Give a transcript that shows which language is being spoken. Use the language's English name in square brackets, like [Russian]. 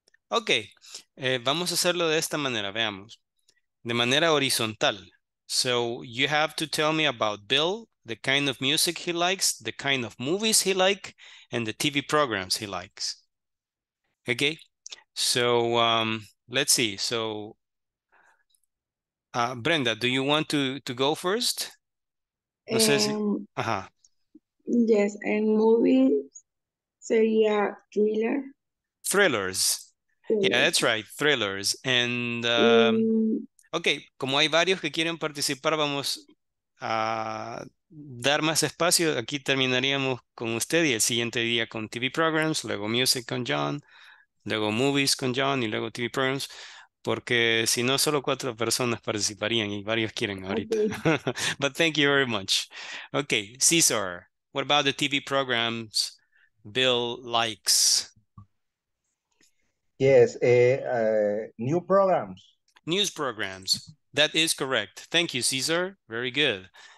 [Spanish] Ok, vamos a hacerlo de esta manera, veamos. De manera horizontal. [English] So, you have to tell me about Bill, the kind of music he likes, the kind of movies he likes, and the TV programs he likes. Ok, so, let's see. So, Brenda, do you want to go first? [Spanish] No sé si... uh-huh. [English] Yes, and movies [Spanish] sería thriller. [English] Thrillers. Yeah, that's right, thrillers. [Spanish] And okay, como hay varios que quieren participar, vamos a dar más espacio. Aquí terminaríamos con usted y el siguiente día con TV programs, luego music con John, luego movies con John y luego TV programs, porque si no, solo cuatro personas participarían y varios quieren ahorita. [English] Okay. But thank you very much. Okay, Cesar, what about the TV programs Bill likes? Yes, new programs. News programs. That is correct. Thank you, Cesar. Very good.